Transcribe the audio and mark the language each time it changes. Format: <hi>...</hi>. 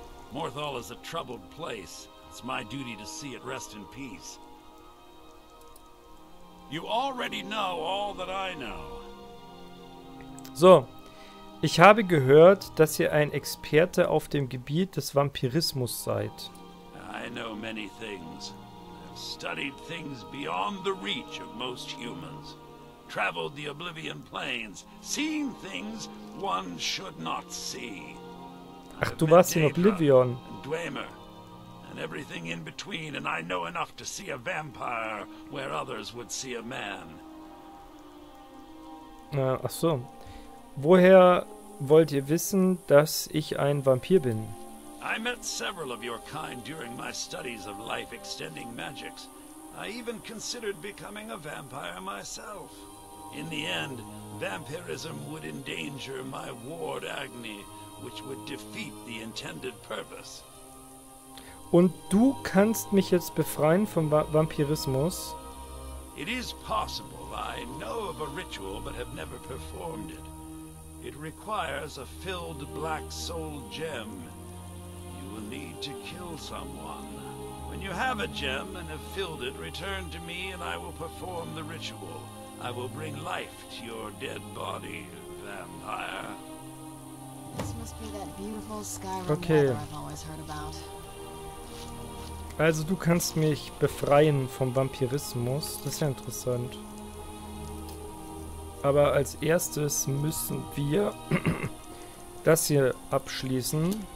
<en>Morthal is a troubled place. It's my duty to see it rest in peace. You already know all that I know.</en> <de>So, ich habe gehört, dass ihr ein Experte auf dem Gebiet des Vampirismus seid.</de> <en>I know many things. I've studied things beyond the reach of most humans. Traveled the Oblivion Plains, seen things one should not see.</en> <de>Ach, du warst in Oblivion.</de> <en>And Dwemer, and everything in between, and I know enough to see a vampire where others would see a man.</en> <de>Ach so. Woher wollt ihr wissen, dass ich ein Vampir bin?</de> <en>I met several of your kind during my studies of life-extending magics. I even considered becoming a vampire myself. In the end, vampirism would endanger my ward Agni, which would defeat the intended purpose.</en> <de>Und du kannst mich jetzt befreien vom Vampirismus?</de> <en>It is possible. I know of a ritual, but have never performed it. It requires a filled black soul gem. You will need to kill someone. When you have a gem and have filled it, return to me and I will perform the ritual. I will bring life to your dead body, vampire. This must be that beautiful Skyrim weather I've always heard about.</en> <de>Also du kannst mich befreien vom Vampirismus. Das ist ja interessant. Aber als erstes müssen wir das hier abschließen.</de>